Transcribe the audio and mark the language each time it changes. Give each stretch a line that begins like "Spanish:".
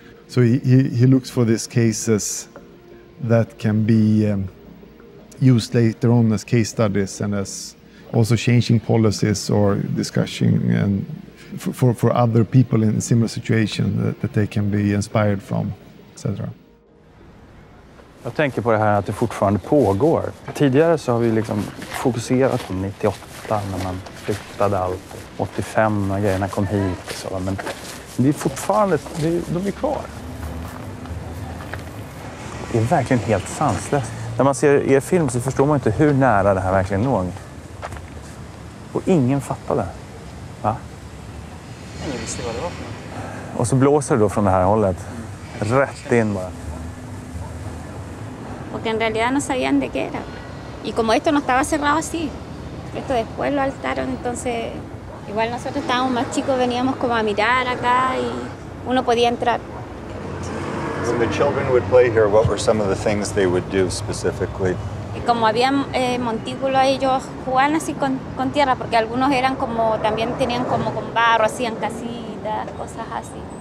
English: So he looks for these cases that can be used later on as case studies and as also changing policies or discussing and for other people in similar situation that they can be inspired from, etc.
Swedish: Jag tänker på det här att det fortfarande pågår. Tidigare så har vi liksom fokuserat på 98 när man flyttade allt. 85 när grejerna kom hit. Så, men det är fortfarande, de är kvar. Det är verkligen helt sanslöst. När man ser er film så förstår man inte hur nära det här verkligen låg. Och ingen fattade. Va? Ingen visste vad det var för. Och så blåser det då från det här hållet. Rätt in bara.
Spanish: Porque en realidad no sabían de qué era. Y como esto no estaba cerrado así, esto después lo altaron, entonces igual nosotros estábamos más chicos, veníamos como a mirar acá y uno podía entrar.
English: When the children would play here, what were some of the things they would do specifically?
Spanish: Y como había montículo, ellos jugaban así con tierra, porque algunos eran como también tenían como con barro, hacían casitas, cosas así.